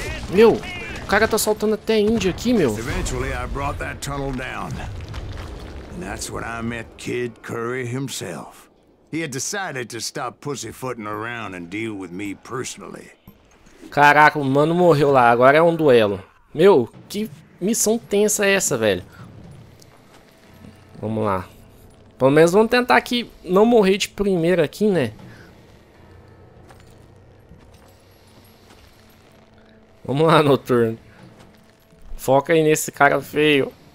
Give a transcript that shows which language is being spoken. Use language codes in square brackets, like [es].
[pt] Meu, o cara tá soltando até índio aqui, meu. [en] Eventually I brought that tunnel down. And that's when I met Kid Curry himself. He had decided to stop pussyfooting around and deal with me personally. [pt] Caraca, o mano morreu lá. Agora é um duelo. Meu, que missão tensa é essa, velho? Vamos lá. Pelo menos vamos tentar aqui não morrer de primeira aqui, né? Vamos lá, Noturno. Foca aí nesse cara feio.